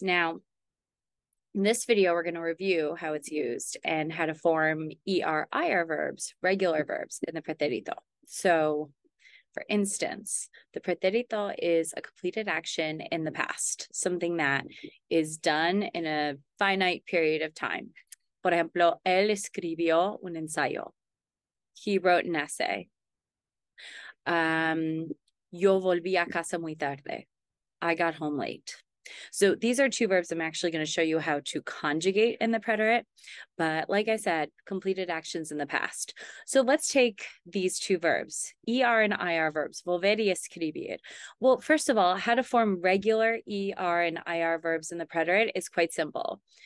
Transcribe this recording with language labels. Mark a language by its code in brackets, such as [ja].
[en] Now, in this video, we're going to review how it's used and how to form ER-IR verbs, regular verbs, in the pretérito. So, for instance, the pretérito is a completed action in the past, something that is done in a finite period of time. [es] Por ejemplo, él escribió un ensayo. [en] He wrote an essay. [es] Yo volví a casa muy tarde. [en] I got home late. So these are two verbs I'm actually going to show you how to conjugate in the preterite. But like I said, completed actions in the past. So let's take these two verbs, ER and IR verbs, volver y escribir. Well, first of all, how to form regular ER and IR verbs in the preterite is quite simple.